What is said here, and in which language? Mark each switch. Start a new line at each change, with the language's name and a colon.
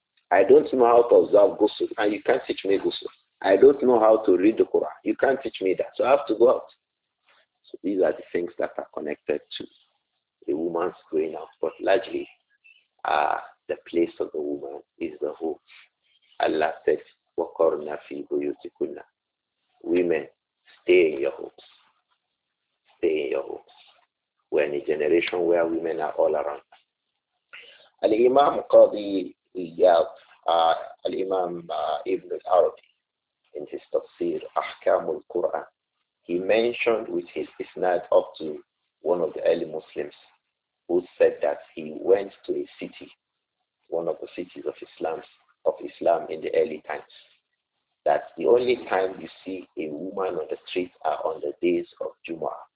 English: I don't know how to observe ghusl, and you can't teach me ghusl. I don't know how to read the Quran. You can't teach me that. So I have to go out. So these are the things that are connected to a woman's going out. But largely, the place of the woman is the home. Allah said,
Arabic: وَقَرْنَا فِي بُيُوتِكُنَّ.
English: Women, stay in your homes. Stay in your homes. We're in a generation where women are all around. Al-Imam Qadi Iyad, Al-Imam Ibn al-Arabi, in his tafsir, Ahkam al-Qur'an, he mentioned with his isnad up to one of the early Muslims who said that he went to a city, one of the cities of Islam in the early times, that the only time you see a woman on the street are on the days of Jumu'ah.